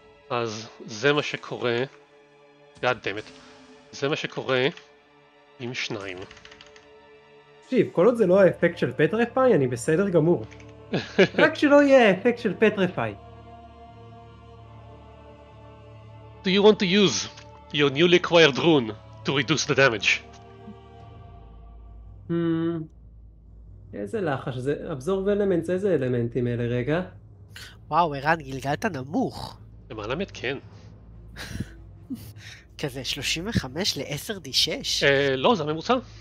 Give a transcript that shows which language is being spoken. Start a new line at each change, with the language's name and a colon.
Hebrew: אז זה מה שקורה,
English: God damn it,
Hebrew: זה מה שקורה עם 2. תקשיב, כל עוד זה לא האפקט של פטריפיי, אני בסדר גמור. רק שלא יהיה האפקט של פטריפיי.
English: Do you want to use your newly acquired rune to reduce the damage?
Hebrew: איזה לחש, זה אבזורב אלמנטס, איזה אלמנטים אלה רגע? וואו, ערן, גלגלת נמוך. למעלה מת כן. כזה 35 ל-10d6? לא, זה הממוצע.